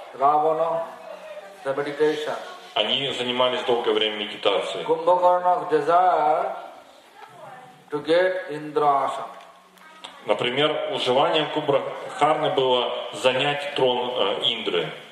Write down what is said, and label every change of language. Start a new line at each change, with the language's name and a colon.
English: Равана, the meditation.
Russian: Они занимались долгое время медитацией.
English: Кумбхакарна desire to get Indraasan.
Russian: Например, у желания Кумбхакарны было занять трон Индры.